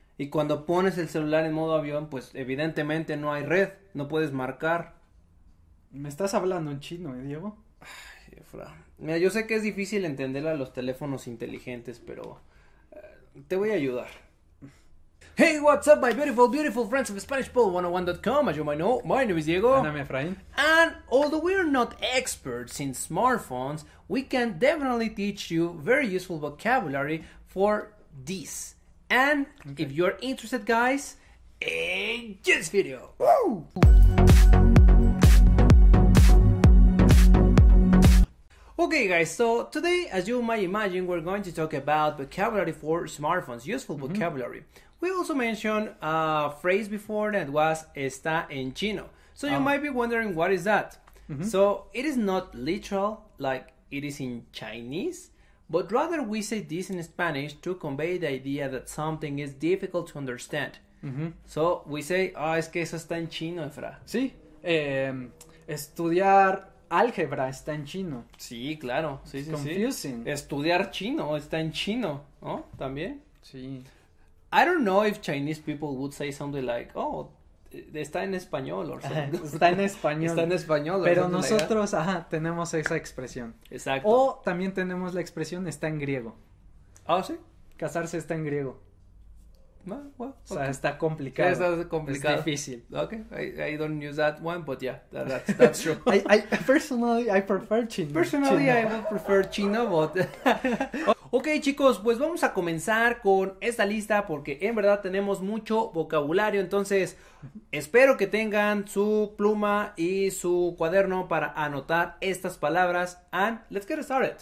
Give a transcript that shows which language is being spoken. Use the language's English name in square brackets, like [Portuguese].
[Spanish] Y cuando pones el celular en modo avión, pues evidentemente no hay red, no puedes marcar. Me estás hablando en chino, Diego. Ay, Efra. Mira, yo sé que es difícil entender a los teléfonos inteligentes, pero te voy a ayudar. [English] Hey, what's up, my beautiful friends of SpanishPool101.com. As you might know, my name is Diego. And I'm Efraín. And although we are not experts in smartphones, we can definitely teach you very useful vocabulary for this. And okay, if you're interested, guys, enjoy this video. Woo! Okay, guys, so today, as you might imagine, we're going to talk about vocabulary for smartphones, useful mm-hmm vocabulary. We also mentioned a phrase before that was [Spanish] está en chino. [English] So you might be wondering, what is that? Mm-hmm. So it is not literal like it is in Chinese, but rather we say this in Spanish to convey the idea that something is difficult to understand. Mm-hmm. So we say, [Spanish] es que eso está en chino, Efra. Sí, estudiar álgebra está en chino. Sí, claro. Sí, [English] it's [Spanish] sí, [English] confusing. [Spanish] Sí. Estudiar chino está en chino, ¿no? También. Sí. [English] I don't know if Chinese people would say something like, [Spanish] está en español, [English] or something. [Spanish] Está en español. Está en español. Pero nosotros, tenemos esa expresión. Exacto. O también tenemos la expresión está en griego. Ah, ¿sí? Casarse está en griego. [English] Well, okay. [Spanish] O sea, está complicado. Sí, está complicado. Es difícil. [English] Okay, I don't use that one, but yeah, that's true. I personally prefer chino. I would prefer chino, but... [Spanish] Ok, chicos, pues vamos a comenzar con esta lista porque en verdad tenemos mucho vocabulario. Entonces, espero que tengan su pluma y su cuaderno para anotar estas palabras. [English] And let's get started.